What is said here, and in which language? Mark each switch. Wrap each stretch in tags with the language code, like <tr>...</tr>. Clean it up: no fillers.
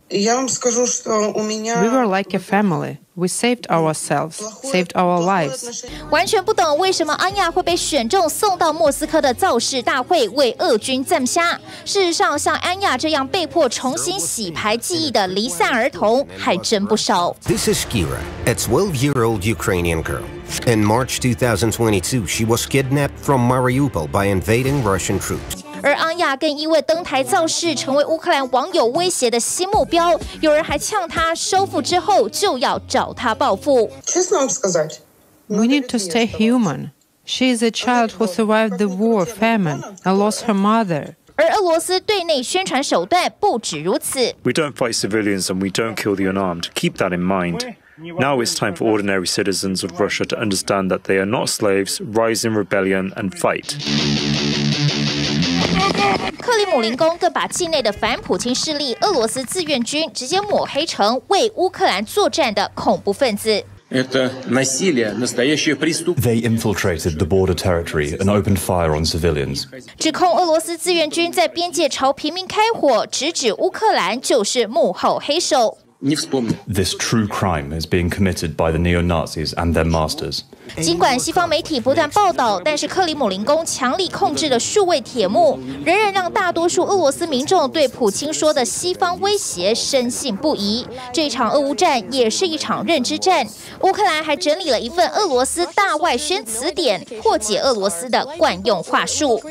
<en>We were like a family. We saved ourselves, saved our lives.</en> <zh>完全不懂为什么安雅会被选中送到莫斯科的造势大会为俄军赞虾。事实上，像安雅这样被迫重新洗牌记忆的离散儿童还真不少。</zh> <en>This is Kira, a 12-year-old Ukrainian girl. In March 2022, she was kidnapped from Mariupol by invading Russian troops.</en> <zh>而安雅更因为登台造势成为乌克兰网友威胁的新目标，有人还呛她收复之后就要找她报复。</zh> <en>We need to stay human. She is a child who survived the war, famine, and lost her mother.</en> <zh>而俄罗斯对内宣传手段不止如此。</zh> <en>We don't fight civilians and we don't kill the unarmed. Keep that in mind. Now it's time for ordinary citizens of Russia to understand that they are not slaves. Rise in rebellion and fight.</en> <zh>克里姆林宫更把境内的反普京势力俄罗斯志愿军直接抹黑成为乌克兰作战的恐怖分子。</zh> <en>They infiltrated the border territory and opened fire on civilians.</en> <zh>指控俄罗斯志愿军在边界朝平民开火，直指乌克兰就是幕后黑手。</zh> <en>This true crime is being committed by the neo-Nazis and their masters.</en> <zh>尽管西方媒体不断报道，但是克里姆林宫强力控制的数位铁幕，仍然让大多数俄罗斯民众对普京说的西方威胁深信不疑。这场俄乌战也是一场认知战。乌克兰还整理了一份俄罗斯大外宣词典，破解俄罗斯的惯用话术。</zh>